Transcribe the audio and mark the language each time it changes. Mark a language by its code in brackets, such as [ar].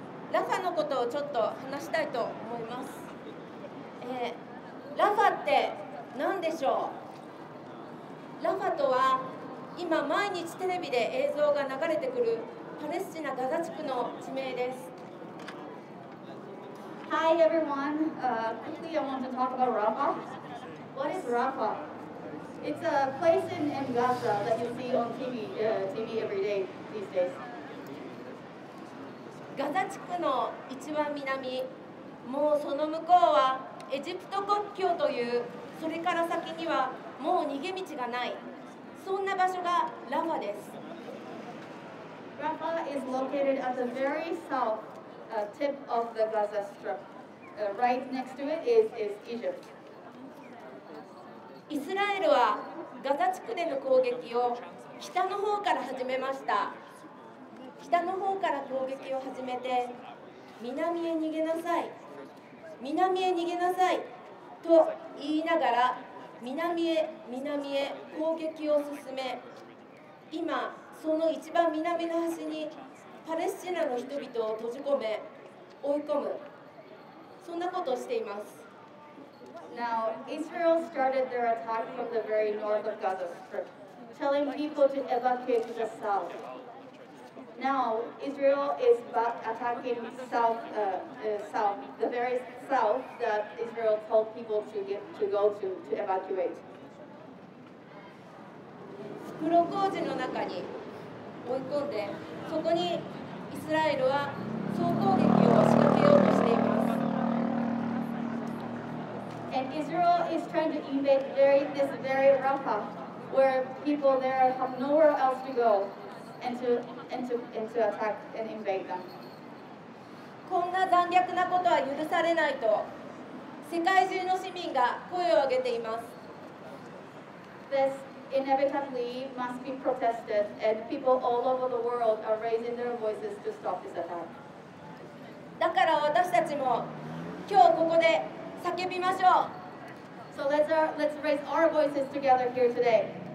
[ja] ラファのことをちょっと話したいと思います。ラファって何でしょう。ラファとは今毎日テレビで映像が流れてくるパレスチナガザ地区の地名です。 [en] Hi everyone, quickly I want to talk about Rafa. What is Rafa? It's a place in Gaza that you see on TV every day these days. [ja] Gaza 地区の一番南、もうその向こうはエジプト国境という、それから先にはもう逃げ道がない。そんな場所がラファです。 [en] ラファ is located at the very south tip of the Gaza Strip. Right next to it is Egypt. [ja] イスラエルはガザ地区での攻撃を北の方から始めました。北の方から攻撃を始めて、南へ逃げなさい、南へ逃げなさいと言いながら、南へ攻撃を進め、今その一番南の端にパレスチナの人々を閉じ込め、追い込む、そんなことをしています。 [en] Now, Israel started their attack from the very north of Gaza Strip, telling people to evacuate to the south. Now, Israel is back attacking south, the very south that Israel told people to go to evacuate. [ja] 袋小路の中に追い込んで、そこにイスラエルは総攻撃を仕掛けようとしています。 [en] And Israel is trying to invade this very Rafah, where people there have nowhere else to go, and to attack and invade them. [ja] こんな残虐なことは許されないと、世界中の市民が声を上げています。 [en] This inevitably must be protested, and people all over the world are raising their voices to stop this attack. [ja] だから私たちも今日ここで叫びましょう。 [en] So let's raise our voices together here today.